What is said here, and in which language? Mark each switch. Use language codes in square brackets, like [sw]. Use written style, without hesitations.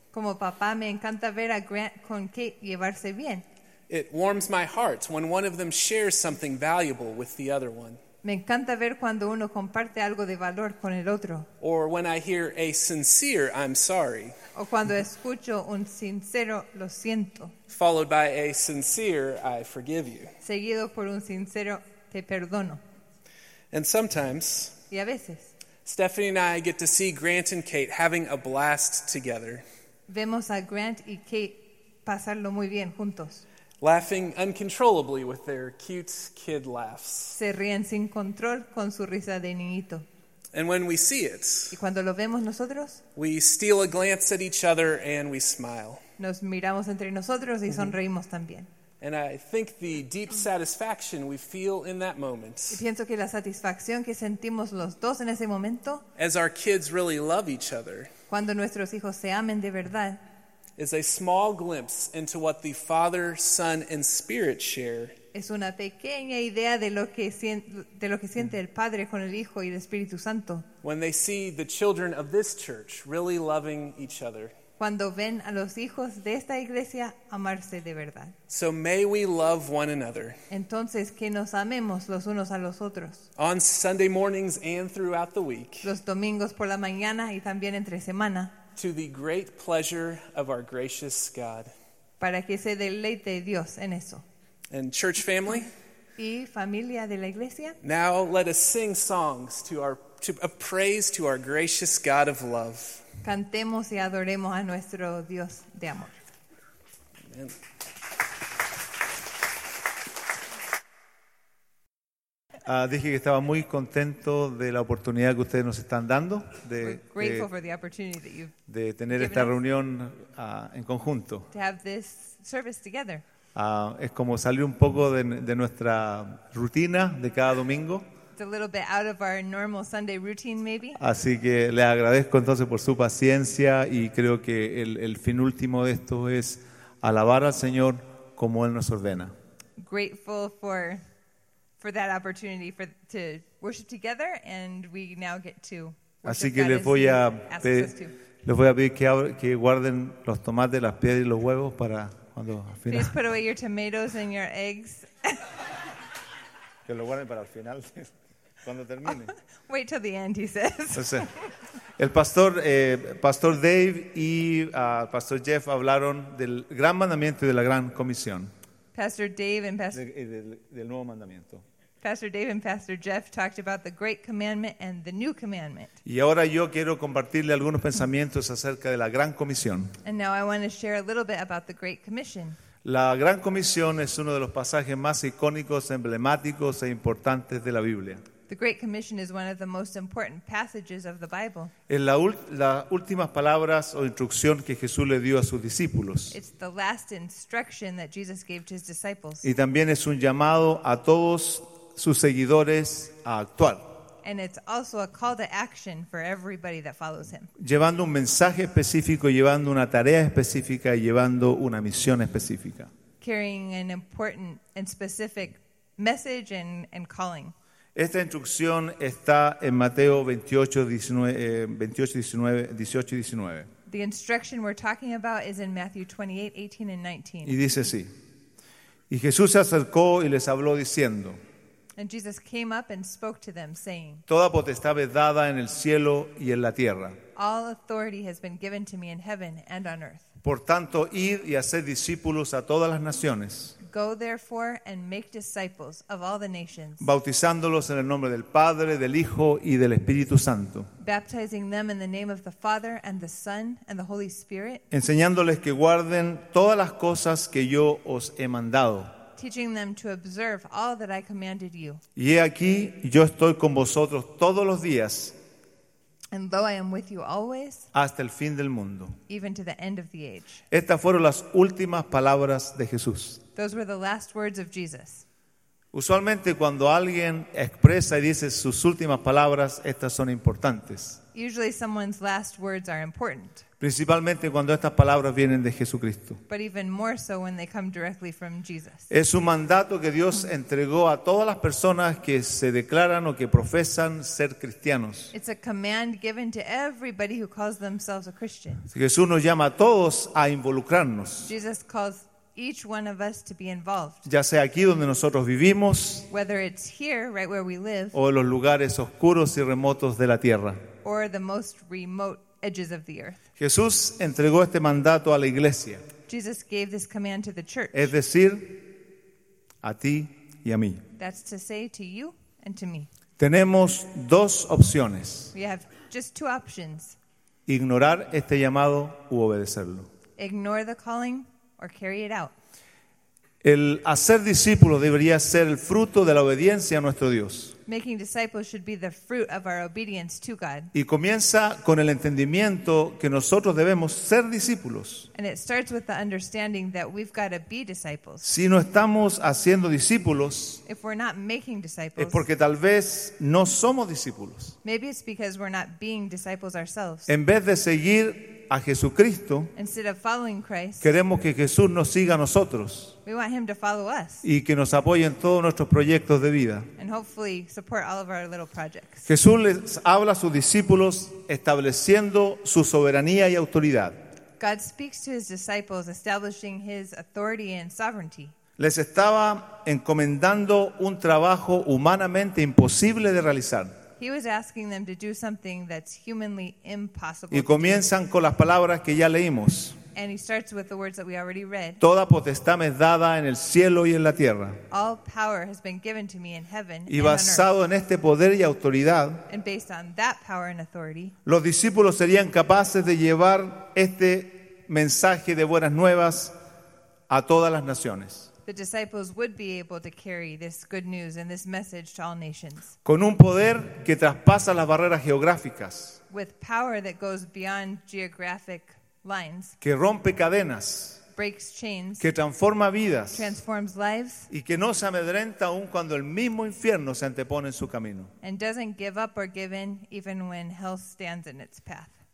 [es] Como papá, me encanta ver a Grant con Kate llevarse bien. [en] It warms my heart when one of them shares something valuable with the other one. [es] Me encanta ver cuando uno comparte algo de valor con el otro. [en] Or when I hear a sincere I'm sorry. [es] O cuando escucho un sincero lo siento. [en] Followed by a sincere I forgive you. [es] Seguido por un sincero te perdono. [en] And sometimes. [es] Y a veces. [en] Stephanie and I get to see Grant and Kate having a blast together. [es] Vemos a Grant y Kate pasarlo muy bien juntos. [en] Laughing uncontrollably with their cute kid laughs. [es] Se ríen sin control con su risa de niñito. [en] And when we see it, [es] y cuando lo vemos nosotros, [en] we steal a glance at each other and we smile. [es] Nos miramos entre nosotros y sonreímos también. [en] And I think the deep satisfaction we feel in that moment, [es] y pienso que la satisfacción que sentimos los dos en ese momento, [en] as our kids really love each other, [es] cuando nuestros hijos se amen de verdad, [en] is a small glimpse into what the Father, Son, and Spirit share. [es] Es una pequeña idea de lo que siente el Padre con el Hijo y el Espíritu Santo. [en] When they see the children of this church really loving each other. [es] Cuando ven a los hijos de esta iglesia amarse de verdad. [en] So may we love one another. [es] Entonces que nos amemos los unos a los otros. [en] On Sunday mornings and throughout the week. [es] Los domingos por la mañana y también entre semana. [en] To the great pleasure of our gracious God. [es] Para que se deleite Dios en eso. [en] And church family. [es] Y familia de la iglesia. [en] Now let us sing songs to praise to our gracious God of love. [es] Cantemos y adoremos a nuestro Dios de amor. [en] Amen. [es] Dije que estaba muy contento de la oportunidad que ustedes nos están dando de tener esta reunión en conjunto. [en] To have this service together. [es] Es como salir un poco de nuestra rutina de cada domingo. [en] It's a little bit out of our normal Sunday routine, maybe. [es] Así que le agradezco entonces por su paciencia y creo que el fin último de esto es alabar al Señor como Él nos ordena. [en] Grateful for that opportunity to worship together, and we now get to worship. [es] Así que les voy a pedir que guarden los tomates, las piedras y los huevos para cuando al final. [en] Please put away your tomatoes and your eggs. [es] Que lo guarden para el final, cuando termine. [en] Oh, wait till the end, he says. [es] El pastor Pastor Dave y Pastor Jeff hablaron del gran mandamiento y de la gran comisión. [en] Pastor Dave and [es] del nuevo mandamiento. [en] Pastor Dave and Pastor Jeff talked about the great commandment and the new commandment. [es] Y ahora yo quiero compartirle algunos pensamientos acerca de la gran comisión. [en] And now I want to share a little bit about the great commission. [es] La gran comisión es uno de los pasajes más icónicos, emblemáticos e importantes de la Biblia. [en] The great commission is one of the most important passages of the Bible. [es] Es las últimas palabras o instrucción que Jesús le dio a sus discípulos. [en] It's the last instruction that Jesus gave to his disciples. [es] Y también es un llamado a todos sus seguidores a actuar. [en] And it's also a call to action for everybody that follows him. [es] Llevando un mensaje específico, llevando una tarea específica y llevando una misión específica. [en] Carrying an important and specific message and calling. [es] Esta instrucción está en Mateo 28, 19. [en] The instruction we're talking about is in Matthew 28, 18 and 19. [es] Y dice así. Y Jesús se acercó y les habló diciendo. [en] And Jesus came up and spoke to them, saying, [es] toda potestad es dada en el cielo y en la tierra. [en] All authority has been given to me in heaven and on earth. [es] Por tanto, id y haced discípulos a todas las naciones. [en] Go therefore and make disciples of all the nations, [es] bautizándolos en el nombre del Padre, del Hijo y del Espíritu Santo, [en] baptizing them in the name of the Father and the Son and the Holy Spirit, [es] enseñándoles que guarden todas las cosas que yo os he mandado, [en] teaching them to observe all that I commanded you. [es] Y he aquí, yo estoy con vosotros todos los días, [en] and though I am with you always, [es] hasta el fin del mundo, [en] even to the end of the age. [es] Estas fueron las últimas palabras de Jesús. [en] Those were the last words of Jesus. [es] Usualmente cuando alguien expresa y dice sus últimas palabras, estas son importantes. [en] Usually someone's last words are important. [es] Principalmente cuando estas palabras vienen de Jesucristo. [en] But even more so when they come directly from Jesus. [es] Es un mandato que Dios entregó a todas las personas que se declaran o que profesan ser cristianos. [en] It's a command given to everybody who calls themselves a Christian. [es] Jesús nos llama a todos a involucrarnos. [en] Jesus calls each one of us to be involved. [es] Ya sea aquí donde nosotros vivimos, [en] whether it's here, right where we live, [es] o en los lugares oscuros y remotos de la tierra, [en] or the most remote edges of the earth. [es] Jesús entregó este mandato a la iglesia. [en] Jesus gave this command to the church. [es] Es decir, a ti y a mí. [en] That's to say to you and to me. [es] Tenemos dos opciones. [en] We have just two options. [es] Ignorar este llamado u obedecerlo. [en] Ignore the calling or carry it out. [es] El hacer discípulos debería ser el fruto de la obediencia a nuestro Dios. [en] Making disciples should be the fruit of our obedience to God. [es] Y comienza con el entendimiento que nosotros debemos ser discípulos. [en] And it starts with the understanding that we've got to be disciples. [es] Si no estamos haciendo discípulos, [en] if we're not making disciples, [es] es porque tal vez no somos discípulos. [en] Maybe it's because we're not being disciples ourselves. [es] En vez de seguir a Jesucristo, [en] instead of following Christ, [es] queremos que Jesús nos siga a nosotros, [en] we want him to follow us, [es] y que nos apoye en todos nuestros proyectos de vida, [en] and hopefully support all of our little projects. [es] Jesús les habla a sus discípulos estableciendo su soberanía y autoridad. [en] God speaks to his disciples establishing his authority and sovereignty. [es] Les estaba encomendando un trabajo humanamente imposible de realizar. [en] He was asking them to do something that's humanly impossible. [es] Y comienzan con las palabras que ya leímos. [en] And he starts with the words that we already read. [es] Toda potestad me es dada en el cielo y en la tierra. [en] All power has been given to me in heaven [es] y basado [en] and on [es] en este poder y autoridad, [en] and based on that power and authority, [es] los discípulos serían capaces de llevar este mensaje de buenas nuevas a todas las naciones. [en] The disciples would be able to carry this good news and this message to all nations. [es] Con un poder que traspasa las barreras geográficas. [en] With power that goes beyond geographic lines. [es] Que rompe cadenas. [en] Breaks chains. [es] Que transforma vidas. [en] Transforms lives. [es] Y que no se amedrenta aun cuando el mismo infierno se antepone en su camino. [en] And doesn't give up or give in even when hell stands in its path.